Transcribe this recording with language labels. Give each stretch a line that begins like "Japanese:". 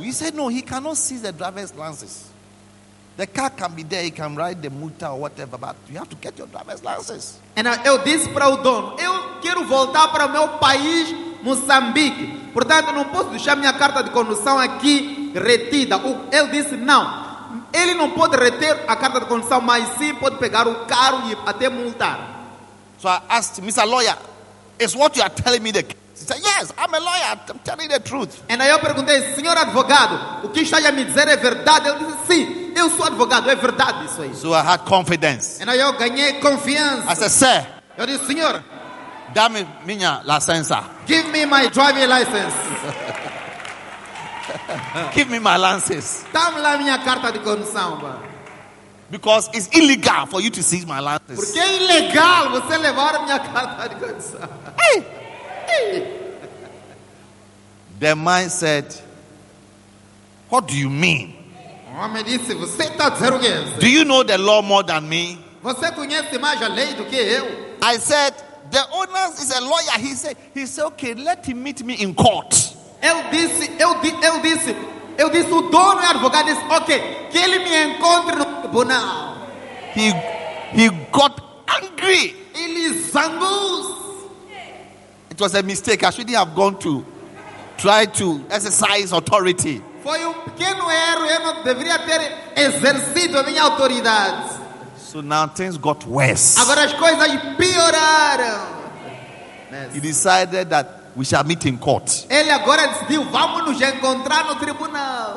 English: He said, no, he cannot see the driver's license. The car can be there, he can ride the motor or whatever, but you have to get your driver's license. And
Portuguese: eu disse para o dono, eu quero voltar para o meu país, Moçambique. Portanto, não posso deixar minha carta de condução aqui retida. Ele disse, não. Ele não pode reter a carta de condução, mas sim pode pegar o carro e até multar.
English: So I asked, Mr. Lawyer, is what you are telling me the case? He said, yes, I'm a lawyer, I'm telling the truth. And
Portuguese: aí eu perguntei, senhor advogado, o que está a me dizer é verdade? Ele disse, sim, eu sou advogado, é verdade isso aí.
English: So I had confidence. And
Portuguese: aí eu ganhei confiança.
English: I said, sir.
Portuguese: Eu disse, senhor. Dá-me minha licença.
English: Give me my driving license. Give me my lances.
Portuguese: Dá-me lá minha carta de condução, bro.
English: Because it's illegal for you to seize my license.
Portuguese: Porque é ilegal você levar minha carta de condução.
English: The man said, what do you mean?
Portuguese: O homem disse, você está dizendo o quê?
English: Do you know the law more than me?
Portuguese: Você conhece mais a lei do que eu?
English: I said, the owner is a lawyer. He said, okay, let him meet me in court.
Portuguese: Eu disse, o dono é advogado, disse, ok, que ele me encontre no tribunal.
English: He got angry.
Portuguese: Ele zangou.
English: It was a mistake. I shouldn't have gone to try to exercise authority.
Portuguese: Foi pequeno erro. Eu não deveria ter exercido a minha autoridade.
English: So now things got worse.
Portuguese: Agora as coisas pioraram.
English: Yes. He decided that we shall meet in court.
Portuguese: Ele agora decidiu, vamos nos encontrar no tribunal.